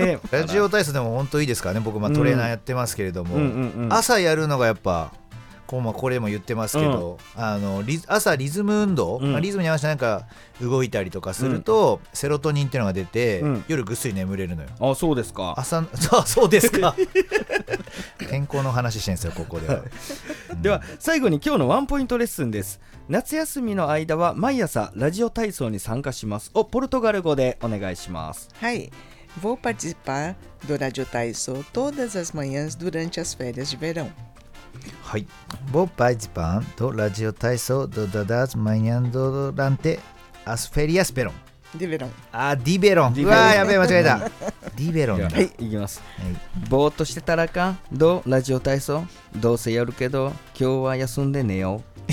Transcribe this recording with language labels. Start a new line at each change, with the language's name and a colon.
Japanese: ラジオ体操でも本当いいですからね。僕まあトレーナーやってますけれども、朝やるのがやっぱこう、まあこれも言ってますけど、朝リズム運動、リズムに合わせてなんか動いたりとかすると、セロトニンっていうのが出て、夜ぐっすり眠れるのよ。あ、そうですか。そうですか。健康の話してんすよ、ここでは。では最後に今日のワンポイントレッスンです。夏休みの間は毎朝ラジオ体操に参加します。ポルトガル語でお願いします。はい。
Portuguese: Vou participar do Radio Taiso todas as manhãs durante as férias de verão。
Japanese: はい。
Portuguese: ボーパイジパンとラジオ体操ドダダズマイニャンドランテアスフェリアスペロンディベロン。
Japanese: あ、ディベロン。うわー、やべえ、間違えた。ディベロンだ。はい、いきます、はい、ぼーっとしてたらかんどうラジオ体操、どうせやるけど今日は休んで寝よう。